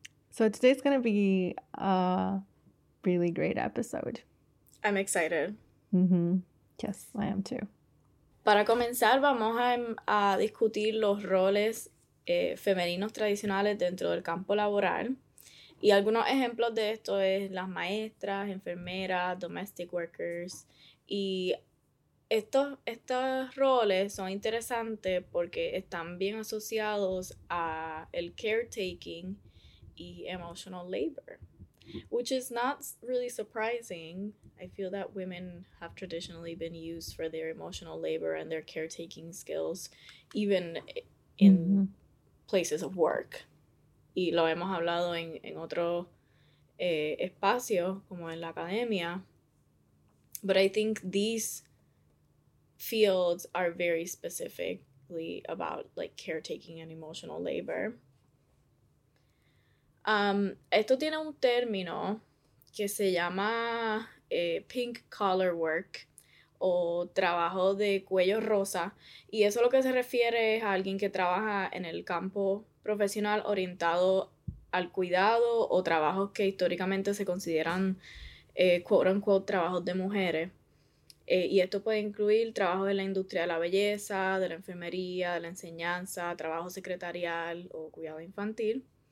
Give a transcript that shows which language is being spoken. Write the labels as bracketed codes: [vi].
[en] So today's gonna be a really great episode. I'm excited. Mm-hmm. Yes, I am too. [es] Para comenzar, vamos a discutir los roles femeninos tradicionales dentro del campo laboral. Y algunos ejemplos de esto es las maestras, enfermeras, [en] domestic workers. [es] Y estos roles son interesantes porque están bien asociados a el caretaking y [en] emotional labor. Which is not really surprising. I feel that women have traditionally been used for their emotional labor and their caretaking skills, even in places of work. [es] Y lo hemos hablado en otro espacio, como en la academia. [en] But I think these fields are very specifically about, like, caretaking and emotional labor. [es] Esto tiene un término que se llama pink collar work, o trabajo de cuello rosa. Y eso lo que se refiere es a alguien que trabaja en el campo profesional orientado al cuidado o trabajos que históricamente se consideran [en] quote unquote [es] trabajos de mujeres, y esto puede incluir trabajos en la industria de la belleza, de la enfermería, de la enseñanza, trabajo secretarial o cuidado infantil.